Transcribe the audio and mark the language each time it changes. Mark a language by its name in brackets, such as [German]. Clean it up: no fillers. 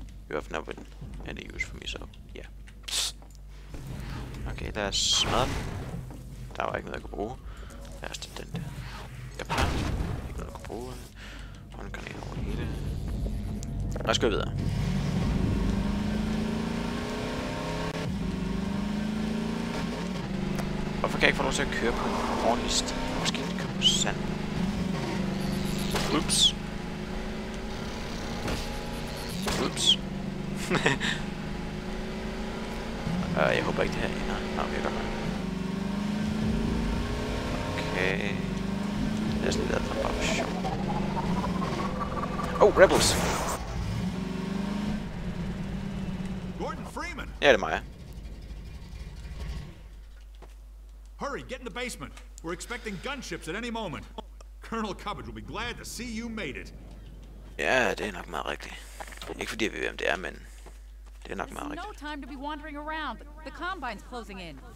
[English] You have never been any use for me, so yeah. [Danish] Okay, lad os smadre den. Der var ikke noget, jeg kunne bruge. Lad os tage den der. Japan. Ikke noget, jeg kunne bruge. Håndgranat over hele. Lad os gå videre. Hvorfor kan jeg ikke få lov til at køre på en ordentlig sted? Måske ikke køre på sand. Ups. Ups. jeg håber ikke det her ender. Nå, vi er godt med. Okay. Lad os lige lade for bare sjov. [English] Oh, rebels! Gordon Freeman! [Danish] Ja, det er mig. [English] Hurry, get in the basement. We're expecting gunships at any moment. Colonel Cubbage will be glad to see you made it. [Danish] Ja, det er nok meget rigtigt. Ikke fordi vi ved, hvem det er, men... Det er nok meget rigtigt. [English] No time to be wandering around. The combine's closing in.